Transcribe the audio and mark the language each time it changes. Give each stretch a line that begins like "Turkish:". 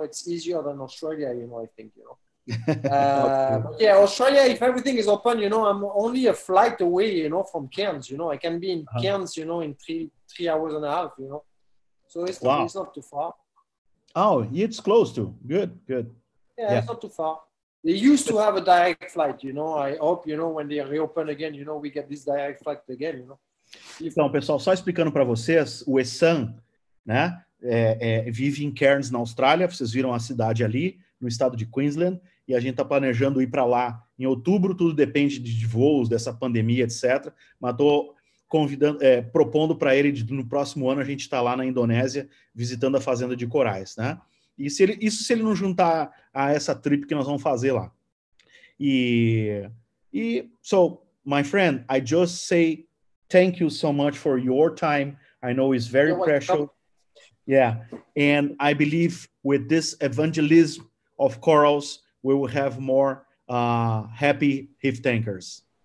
English: It's easier than Australia, you know, I think, you know. but yeah, Australia, if everything is open, you know, I'm only a flight away, you know, from Cairns, you know. I can be in Cairns, you know, in three hours and a half, you know. So it's, it's not too far. Oh, it's close to. Good. Yeah, it's not too far. They used to have a direct flight, you know. I hope, you know, when they reopen again, you know, we get this direct flight again, you know.
Portuguese: Então, pessoal, só explicando para vocês, o Essan, né, vive em Cairns, na Austrália. Vocês viram a cidade ali, no estado de Queensland. E a gente está planejando ir para lá em outubro. Tudo depende de voos, dessa pandemia, etc. Mas estou convidando, propondo para ele, no próximo ano, a gente está lá na Indonésia, visitando a fazenda de corais, né? E se ele, isso se ele não juntar a essa trip que nós vamos fazer lá.
English: E so, my friend, I just say thank you so much for your time. I know it's very precious. Yeah, and I believe with this evangelism of corals, we will have more happy reef tankers.